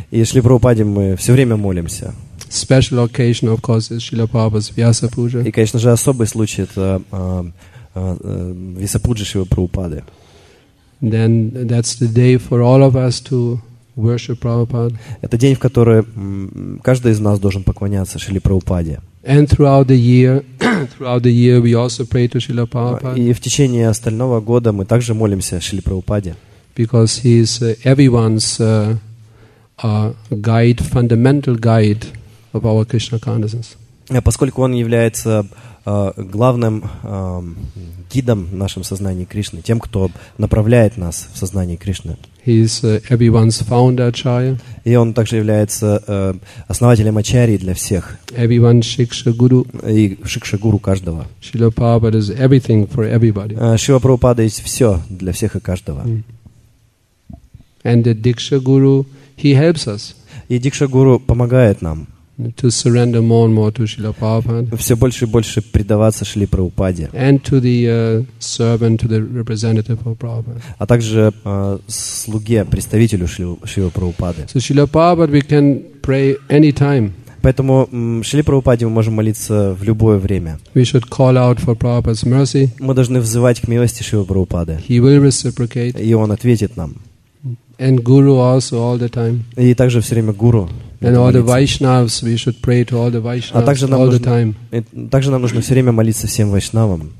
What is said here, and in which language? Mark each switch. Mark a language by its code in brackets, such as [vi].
[ru] И Śrīla Prabhupāda мы все время молимся. [en] Special occasion, of course, is Śrīla Prabhupāda's Vyasa Puja. [ru] И, конечно же, особый случай это Висапуджи Шива Прабхупады. [en] Then that's the day for all of us to worship Prabhupada. [ru] Это день, в который каждый из нас должен поклоняться Шиле Прабхупаде. [en] And throughout the year we also pray to Śrīla Prabhupāda. [ru] И в течение остального года мы также молимся Шиле Прабхупаде. [en] Because he is everyone's guide, fundamental guide of our Krishna consciousness. [ru] Поскольку он является главным гидом в нашем сознании Кришны, тем, кто направляет нас в сознании Кришны. [en] He is everyone's founder, Acharya. [ru] И он также является основателем Ачарьи для всех. [en] Everyone's Shiksha Guru. [ru] И Шикша Гуру каждого. [en] Śrīla Prabhupāda is everything for everybody. [ru] Śrīla Prabhupāda есть все для всех и каждого. [en] And the Diksha Guru, he helps us. [ru] И Диксха Гуру помогает нам. [en] To surrender more and more to Śrīla Prabhupāda. [ru] Все больше и больше предаваться Шиле Прабхупаде. [en] And to the servant, to the representative of Prabhupada. [ru] А также слуге, представителю Шиле Прабхупады. [en] So Śrīla Prabhupāda, we can pray anytime. [ru] Поэтому Шиле Прабхупаде мы можем молиться в любое время. [en] We should call out for Prabhupada's mercy. [ru] Мы должны взывать к милости Шиле Прабхупады. [en] He will reciprocate. [ru] И он ответит нам. [en] And Guru also all the time. [ru] И также все время Гуру. [en] And all the Vaishnavas, we should pray to all the Vaishnavas all the time. [ru] Также нам нужно все время молиться всем Вайшнавам.